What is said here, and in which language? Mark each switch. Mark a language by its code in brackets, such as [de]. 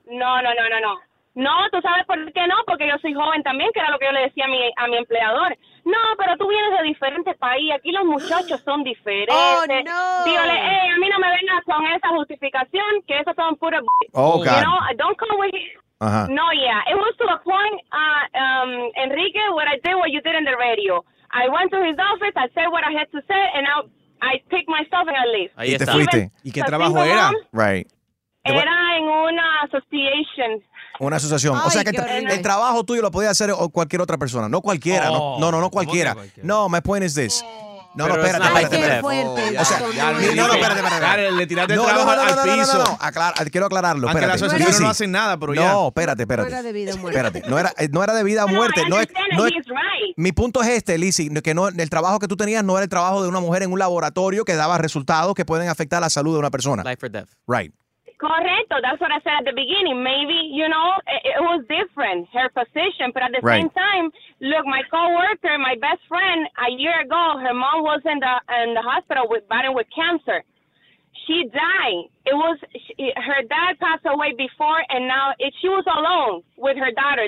[es] No. No, tú sabes por qué no, porque yo soy joven también, que era lo que yo le decía a mi empleador. No, pero tú vienes de diferentes países, aquí los muchachos son diferentes. Oh, no. Dígale, a mí no me vengas con esa justificación, que eso son puras [en] Oh, God. You know, don't come with... No, yeah. It was to the point, Enrique, what I did, what you did in the radio. I went to his office, I said what I had to say, and I picked my stuff and I leave. [es] Ahí te fuiste. ¿Y qué trabajo era? [en] Right. [es] Era en una asociación. Una asociación. Ay, o sea que el trabajo tuyo lo podía hacer cualquier otra persona. No cualquiera. Oh, no, no, no cualquiera. [en] No, my point is this. [es] No, no, espérate, espérate, espérate. O sea, no, no, espérate, espérate. Le tiraste el trabajo al piso. No, no, no, quiero aclararlo, espérate. Aunque la asociación no hace nada, pero ya. No, espérate, espérate. No era de vida o muerte. Espérate, no era de vida o muerte. No, mi punto es este, Lizzie, que el trabajo que tú tenías no era el trabajo de una mujer en un laboratorio que daba resultados que pueden afectar la salud de una persona. [en] Life or death. Right. Correcto, that's what I said at the beginning. Maybe, you know, it was different, her position. But at the same time, look, my coworker, my best friend, a year ago, her mom was in the hospital with battling with cancer. She died. Her dad passed away before, and now she was alone with her daughter.